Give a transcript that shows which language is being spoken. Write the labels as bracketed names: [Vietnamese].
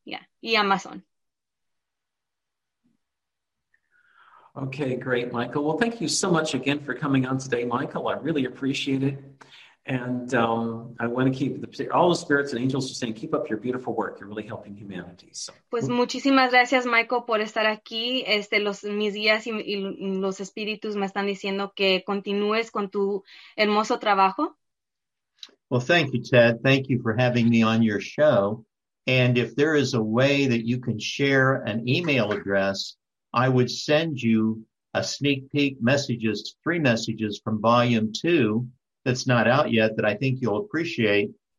[English] Yeah, y Amazon. Okay, great, Michael. Well, thank you so much again for coming on today, Michael. I really appreciate it. And I want to keep all the spirits and angels are saying, keep up your beautiful work. You're really helping humanity. So. [Spanish] Pues muchísimas gracias, Michael, por estar aquí. Mis guías y los espíritus me están diciendo que continúes con tu hermoso trabajo. [English] Well, thank you, Ted. Thank you for having me on your show. And if there is a way that you can share an email address, I would send you a sneak peek messages, 3 messages from volume 2 that's not out yet that I think you'll appreciate.